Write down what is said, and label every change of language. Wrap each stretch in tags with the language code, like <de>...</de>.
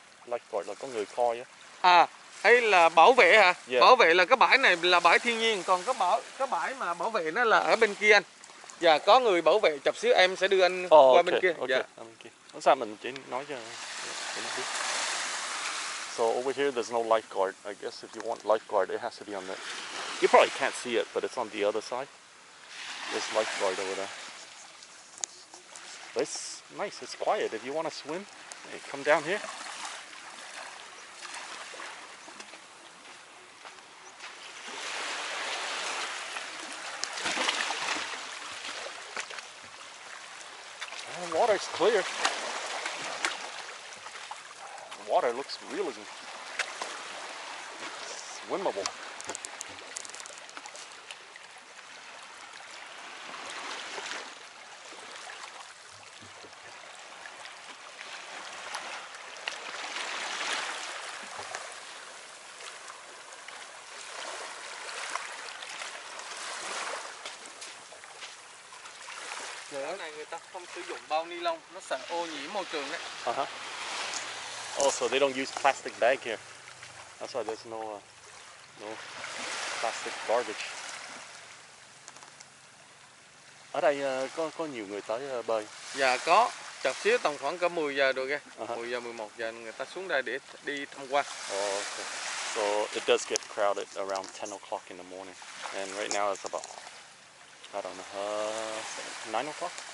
<vi>Lifeguard là có người coi á. À, hay là bảo vệ hả?</vi> <en>Yeah.</en> <vi>Bảo vệ là cái bãi này là bãi thiên nhiên, còn cái bãi mà bảo vệ nó là ở bên kia anh. Dạ, có người bảo vệ, chập xíu em sẽ đưa anh qua bên kia.</vi> <en>Okay.</en> <vi>Dạ. Sao mình chỉ nói cho mình biết.</vi> <en>So over here there's no lifeguard. I guess if you want lifeguard it has to be on that. You probably can't see it, but it's on the other side. There's lifeguard over there. It's nice, it's quiet. If you want to swim, hey, come down here. And the water's clear. Water looks real, isn't it? Swimmable.</en> <vi>Giờ này người ta không sử dụng bao ni lông, nó sợ ô nhiễm môi trường đấy.</vi> <en>Oh, so they don't use plastic bag here. That's why there's no no plastic garbage.</en> <vi>Ở đây có nhiều người tới bơi. Dạ có, chập xíu tầm khoảng cả 10 giờ được nghe. 10 giờ 11 giờ người ta xuống đây để đi tham quan.</vi> <en>Oh, okay. So it does get crowded around 10 o'clock in the morning. And right now it's about I don't know, 9 o'clock.</en>